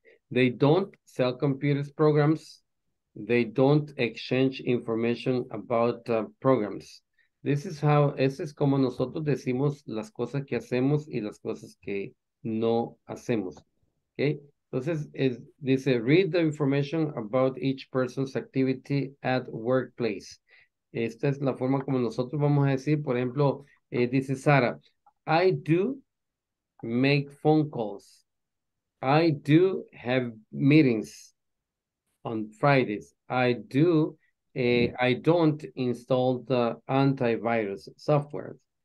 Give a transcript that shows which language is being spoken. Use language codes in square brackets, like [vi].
[en] They don't sell computers programs. They don't exchange information about programs. This is how, [es] ese es como nosotros decimos las cosas que hacemos y las cosas que no hacemos. Okay? Entonces, dice, [en] read the information about each person's activity at workplace. [es] Esta es la forma como nosotros vamos a decir, por ejemplo, dice Sara, [en] I do make phone calls. I do have meetings on Fridays. I do, I don't install the antivirus software.